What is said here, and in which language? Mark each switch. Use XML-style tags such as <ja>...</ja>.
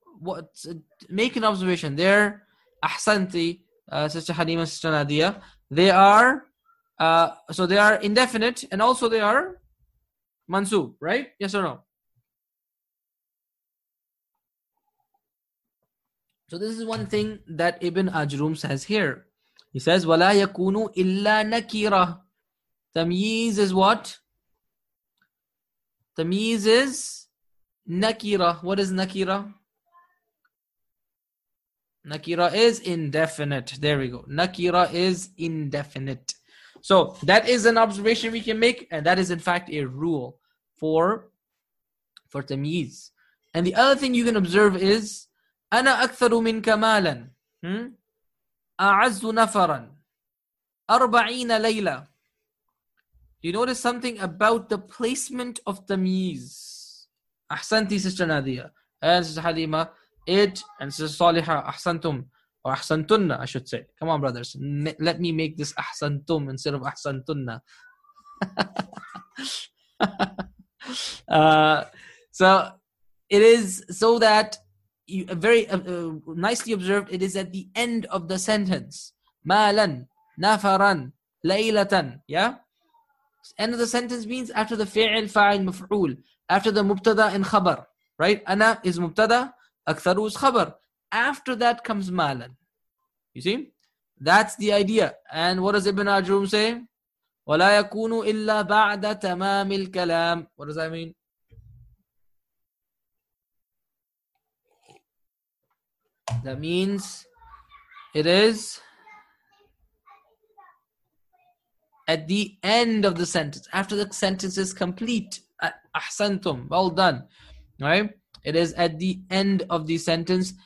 <en>What, make an observation there, ahsanti, sister Halima, sister Nadia. They are so they are indefinite and also they are mansub, right? Yes or no? So this is one thing that Ibn Ajrum says here. He says,</en> <ar>وَلَا يَكُونُ إِلَّا نَكِيرَةً.</ar> <en>Tamyiz is what? Tamyiz is nakira. What is nakira? Nakira is indefinite. There we go. Nakira is indefinite. So that is an observation we can make. And that is in fact a rule for tamyiz. And the other thing you can observe is,</en> <ar>أنا أكثر منك مالا أعز نفرا أربعين ليلة.</ar> <en>You notice something about the placement of tamyiz. أحسنتي sister ناديا and sister حليمة it and sister صالحة أحسنتم or أحسنتن I should say. Come on brothers, let me make this</en> <ar>أحسنتم</ar> <en>instead of أحسنتن. So it is so that you, very nicely observed, it is at the end of the sentence. Malan, nafaran, laylatan. Yeah? End of the sentence means after the fi'il, fa'il, maf'ul. After the mubtada and khabar. Right? Ana is mubtada, aktharu is khabar. After that comes malan. You see? That's the idea. And what does Ibn Ajrum say?</en> <ar>وَلَا يَكُونُ إِلَّا بَعْدَ تَمَامِ الْكَلَامِ.</ar> <en>What does that mean? That means it is at the end of the sentence, after the sentence is complete. Ahsantum, well done. Right? It is at the end of the sentence.</en>